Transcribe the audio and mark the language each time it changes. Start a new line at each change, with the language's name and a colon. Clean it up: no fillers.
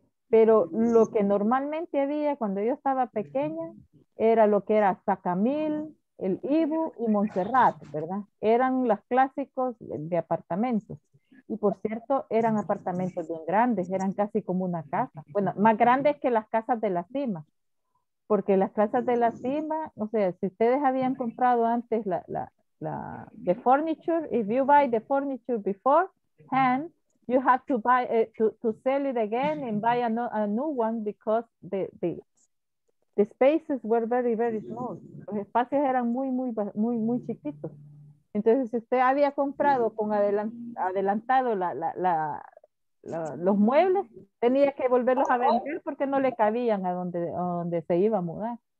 Spanish: Pero lo que normalmente había cuando yo estaba pequeña era lo que era Sacamil, el Ibu y Montserrat, ¿verdad? Eran los clásicos de apartamentos. Y por cierto, eran apartamentos bien grandes, eran casi como una casa. Bueno, más grandes que las casas de la cima. Porque las casas de la cima, o sea, si ustedes habían comprado antes
English: the furniture, if you buy the furniture beforehand, you have to buy to sell it again and buy a new one because the spaces were very, very small.
Spanish: Los espacios eran muy, muy, muy, muy chiquitos. Entonces, si usted había comprado con adelantado los muebles, tenía que volverlos a vender porque no le cabían a donde se iba a mudar.